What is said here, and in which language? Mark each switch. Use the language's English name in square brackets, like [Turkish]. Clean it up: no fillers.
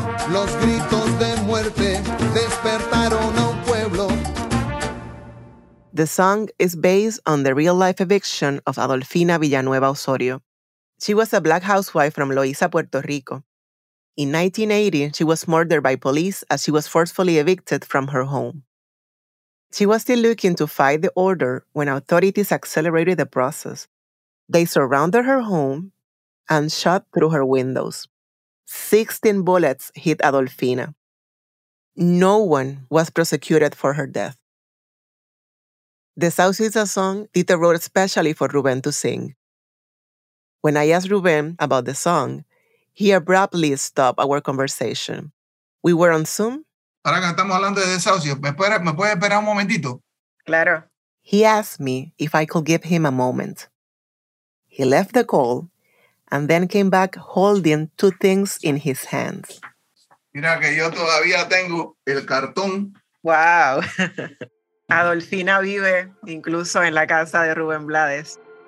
[Spanish] Los gritos de muerte despertaron a un pueblo. [English] The song is based on the real-life eviction of Adolfina Villanueva Osorio. She was a black housewife from Loíza, Puerto Rico. In 1980, she was murdered by police as she was forcefully evicted from her home. She was still looking to fight the order when authorities accelerated the process. They surrounded her home and shot through her windows. 16 bullets hit Adolfina. No one was prosecuted for her death. Desahucio is a song Tite wrote especially for Ruben to sing. When I asked Ruben about the song, he abruptly stopped our conversation. We were on Zoom. [Spanish] Ahora que estamos hablando de Desahucio, ¿me puede esperar un momentito? Claro. [English] He asked me if I could give him a moment. He left the call and then came back holding two things in his hands. [Spanish] Mira que yo todavía tengo el cartón. Wow. Adolfina vive incluso en la casa de Rubén Blades.